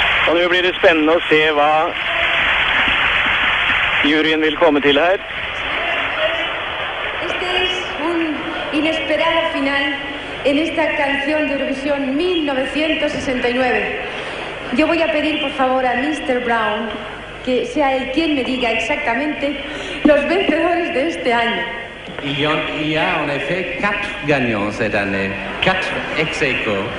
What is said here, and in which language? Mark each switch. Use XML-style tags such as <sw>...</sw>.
<no>Og nå blir det spennende å se hva juryen vil komme til her.</no> <es>Este es un inesperado final en esta canción de Eurovisión 1969. Yo voy a pedir por favor a Mr. Brown que sea él quien me diga exactamente los vencedores de este año.</es> <fr>Il y a en effet 4 gagnants cette année, 4 ex aequo.</fr>